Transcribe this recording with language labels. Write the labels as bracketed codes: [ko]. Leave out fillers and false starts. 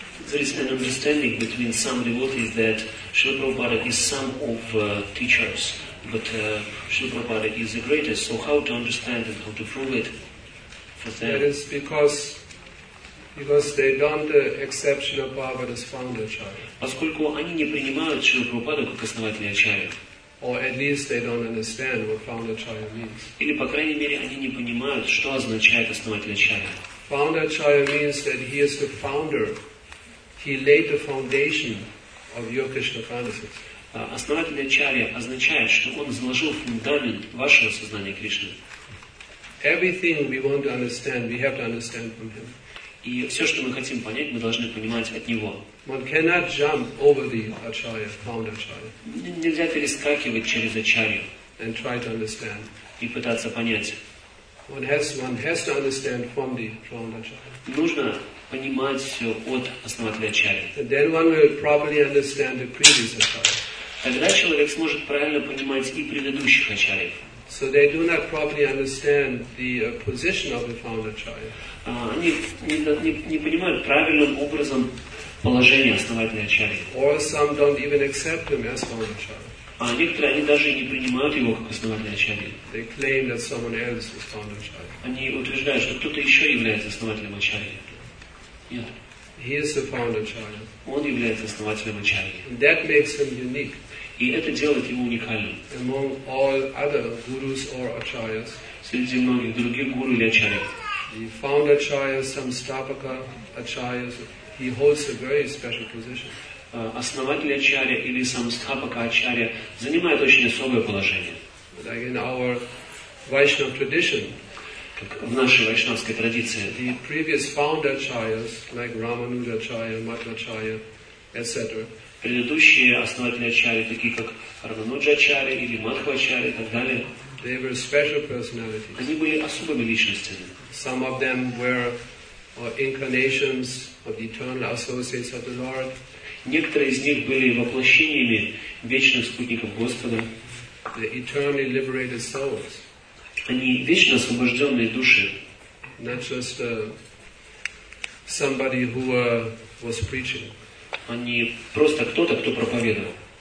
[en] There is an understanding between some devotees that Шрила Прабхупада is some of teachers. But Srila Prabhupada is the greatest, so how to understand it, how to prove it for them? That is because they don't accept Srila Prabhupada as founder acharya. [ru] Поскольку они не принимают Шрилу Прабхупаду как основателя ачарьи. [en] Or at least they don't understand what founder acharya means. [ru] Или, по крайней мере, они не понимают, что означает основатель ачарьи. [en] Founder acharya means that he is the founder, he laid the foundation of your Krishna consciousness. [ru] Основатель ачарья означает, что он заложил фундамент вашего сознания Кришны. [en] Everything we want to understand, we have to understand from him. [ru] И все, что мы хотим понять, мы должны понимать от него. [en] One cannot jump over the acharya, found acharya. [ru] Нельзя перескакивать через ачарью. [en] And try to understand. [ru] И пытаться понять. [en] One has to understand from the found acharya. [ru] Нужно понимать все от основателя ачарья. [en] Then one will properly understand the previous acharya. [ru] Тогда человек сможет правильно понимать и предыдущих ачарьев. [en] So they do not properly understand the position of the founder acharya. [ru] Они не понимают правильным образом положение основателя ачарьи. [en] Or some don't even accept him as founder acharya. [ru] А некоторые они даже не принимают его как основателя ачарьи. [en] They claim that someone else is founder acharya. [ru] Они утверждают, что кто-то еще является основателем ачарьи. Нет. [en] He is the founder acharya. [ru] Он является основателем ачарьи. [en] That makes him unique. [ru] И это делает его уникальным. [en] Among all other gurus or acharyas, [ru] среди многих других гуру или ачарьев. [en] The founder acharya, samsthapaka acharyas, he holds a very special position. [ru] Основатель ачарья или самстхапака ачарья занимает очень особое положение. [en] Like in our Vaishnav tradition, [ru] как в нашей вайшнавской традиции, [en] the previous founder acharyas, like Ramanuja acharya, Madhva acharya, etc. [ru] Предыдущие основатели ачарьи, такие как Рамануджа ачарьи или Мадхва ачарьи и так далее, [en] they were special personalities. [ru] Они были особыми личностями. [en] Some of them were incarnations of the eternal associates of the Lord. [ru] Некоторые из них были воплощениями вечных спутников Господа. [en] The eternally liberated souls. [ru] Они вечно освобожденные души. [en] Not just somebody who was preaching. [ru] Они просто кто-то, кто проповедовал.